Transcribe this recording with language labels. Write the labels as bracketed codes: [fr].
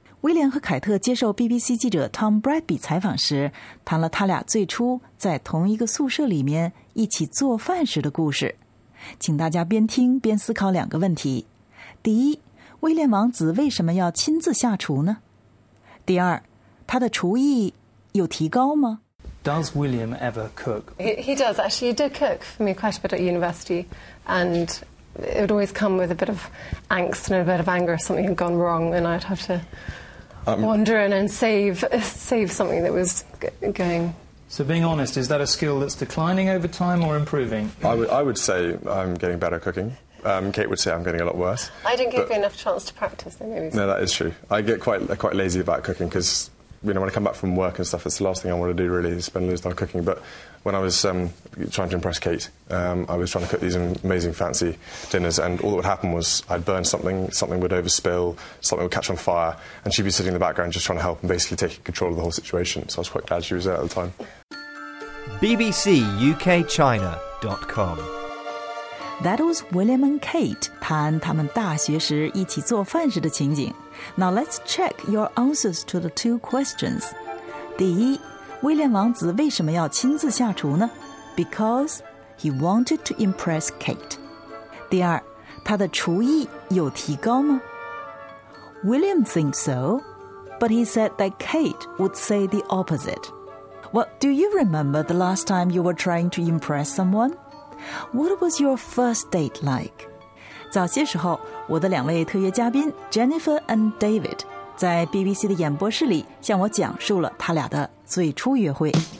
[zh] 威廉和凯特接受 BBC 记者 Tom Bradby 采访时，谈了他俩最初在同一个宿舍里面一起做饭时的故事。请大家边听边思考两个问题。第一，威廉王子为什么要亲自下厨呢？第二，他的厨艺有提高吗？ [en] Does William ever cook? He does, actually. He did cook for me quite a bit at university, and it would always come with a bit of angst and a bit of anger if something had gone wrong, and I'd have to wander in and save something that was going. So being honest, is that a skill that's declining over time or improving? I would say I'm getting better at cooking. Kate would say I'm getting a lot worse. I didn't give you enough chance to practice, though, maybe. No, that is true. I get quite lazy about cooking because... You know, when I come back from work and stuff, it's the last thing I want to do, really, is spend loads of time cooking. But when I was trying to impress Kate, I was trying to cook these amazing fancy dinners, and all that would happen was I'd burn something, something would overspill, something would catch on fire, and she'd be sitting in the background just trying to help and basically taking control of the whole situation. So I was quite glad she was there at the time. BBCUKChina.com. That was William and Kate [zh] 谈他们大学时一起做饭时的情景。 [en] Now let's check your answers to the two questions. [zh] 第一，威廉王子为什么要亲自下厨呢？ [en] Because he wanted to impress Kate. [zh] 第二，他的厨艺有提高吗？ [en] William thinks so, but he said that Kate would say the opposite. Well, do you remember the last time you were trying to impress someone? What was your first date like? [zh] 早些时候，我的两位特约嘉宾 Jennifer and David 在 BBC 的演播室里向我讲述了他俩的最初约会。